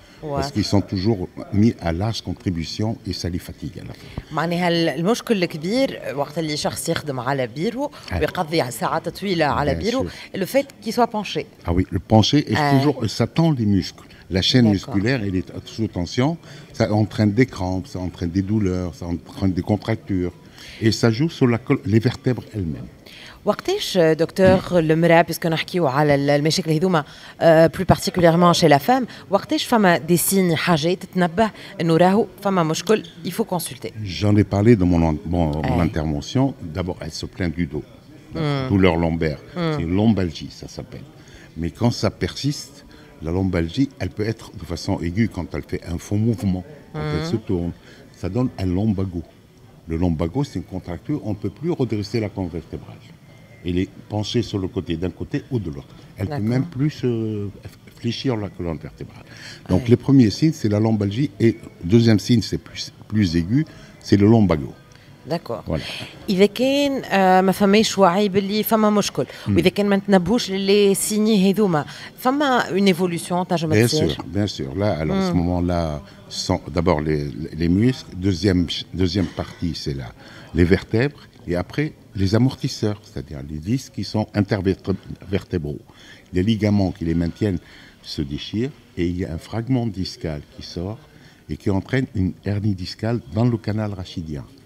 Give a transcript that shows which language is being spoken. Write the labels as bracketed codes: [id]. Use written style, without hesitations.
[fr] Parce qu'ils sont toujours mis à large contribution et ça les fatigue. [ar] معناها المشكل الكبير وقت اللي شخص يخدم على بيرو ويقضي ساعات طويلة على بيرو [fr] le fait qu'il soit penché. Ah oui, le penché est toujours ça tend les muscles. La chaîne musculaire elle est sous tension, ça entraîne des crampes, ça entraîne des douleurs, ça entraîne des contractures et ça joue sur la les vertèbres elles-mêmes. [ar] وقتاش دكتور المرأة puisque نحكيو على المشاكل هذوما [fr] plus particulièrement chez la femme [ar] وقتاش فما دي سين حاجات تتنبه انه راهو فما مشكل [fr] il faut consulter. J'en ai parlé dans mon intervention. D'abord elle se plaint du dos, douleur lombaire, c'est une lombalgie ça s'appelle. Mais quand ça persiste, la lombalgie, elle peut être de façon aiguë quand elle fait un faux mouvement, quand elle se tourne, ça donne un lumbago. Le lumbago c'est une contracture, on peut plus redresser la colonne vertébrale. Elle est penchée sur le côté, d'un côté ou de l'autre. Elle D'accord. peut même plus fléchir la colonne vertébrale. Donc les premiers signes, c'est la lombalgie. Et le deuxième signe, c'est plus aigu, c'est le lombago. D'accord. Voilà. [ar] إذا كان ما فماش وعي باللي فما مشكل وإذا كان ما تنبهوش للي سيني هذوما فما [fr] une évolution [ar] تنجم تصير. [fr] Bien sûr, bien sûr. Là, alors à ce moment-là, d'abord les muscles, deuxième partie, c'est là les vertèbres et après les amortisseurs, c'est-à-dire les disques qui sont intervertébraux. Les ligaments qui les maintiennent se déchirent et il y a un fragment discal qui sort et qui entraîne une hernie discale dans le canal rachidien.